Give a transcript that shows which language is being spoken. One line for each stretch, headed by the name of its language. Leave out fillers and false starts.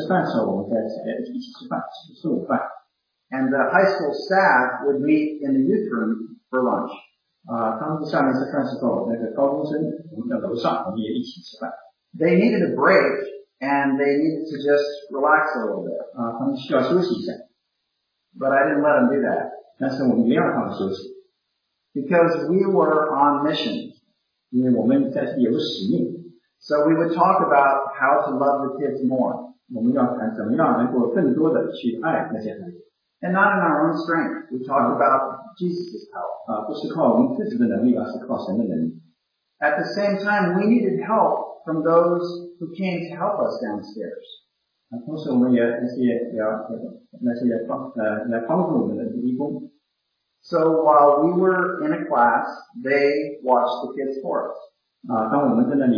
Chinese: 在我们夏令营中，我们在吃饭的时候，我们在一起吃饭，吃午饭。
English: And the high school staff would meet in the youth room for lunch.
Chinese: 他们下面吃饭的时候，那个高中生，我们在楼上，我们也一起吃饭。
English: They needed a break, and they needed to just relax a little bit.
Chinese: 他们需要休息一下。
English: But I didn't let them do that.
Chinese: 但是我们没让他们休息。
English: Because we were on mission.
Chinese: 因为我们在有使命。
English: So we would talk about how to love the kids more.
Chinese: 我们要谈怎么样能够更多的去爱那些孩子。
English: And not in our own strength. We talk about Jesus' power.
Chinese: 不是靠我们自己的能力，而是靠神的能力。
English: At the same time, we needed help from those who came to help us downstairs.
Chinese: 同时我们也那些来帮助我们的义工。
English: So while we were in a class, they watched the kids for us.